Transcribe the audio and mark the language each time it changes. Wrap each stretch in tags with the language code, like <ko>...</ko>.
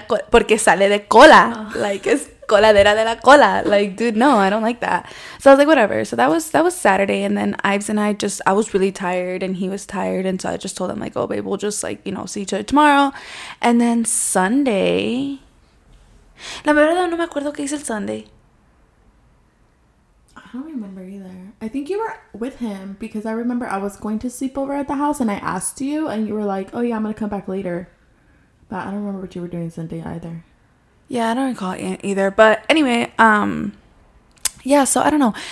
<es>Porque sale de cola.</es> <en>Like, it's</en> <es>coladera de la cola.</es> <en>Like, dude, no, I don't like that. So I was like, whatever. So that was Saturday. And then Ives and I was really tired and he was tired. And so I just told him, like, oh, babe, we'll just, like, you know, see each other tomorrow. And then Sunday.</en> <es>La verdad, no me acuerdo que hice el Sunday.</es> <en>I don't remember either. I think you were with him because I remember I was going to sleep over at the house and I asked you and you were like, oh, yeah, I'm going to come back later. But I don't remember what you were doing Sunday either. Yeah, I don't recall it either. But anyway, yeah, so I don't know.</en>